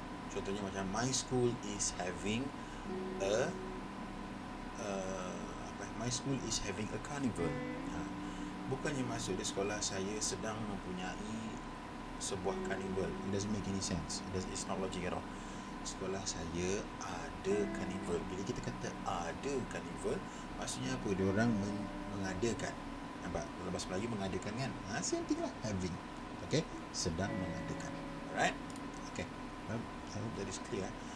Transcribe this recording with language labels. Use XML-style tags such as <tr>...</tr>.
<ms>Contohnya macam</ms> <en>my school is having a</en> <ms>apa,</ms> <en>my school is having a carnival. Ha.</en> <ms>Bukannya maksud dia sekolah saya sedang mempunyai sebuah carnival.</ms> <en>It doesn't make any sense. It's not logic at all.</en> <ms>Sekolah saya ada carnival. Bila kita kata ada carnival, maksudnya apa? Dia orang mengadakan. Nampak? Dalam bahasa Melayu mengadakan kan? Ha,</ms> <en>same thing</en> <ms>lah. Having. Okay? Sedang mengadakan. Alright? Okay.</ms> <en>I hope that is clear.</en>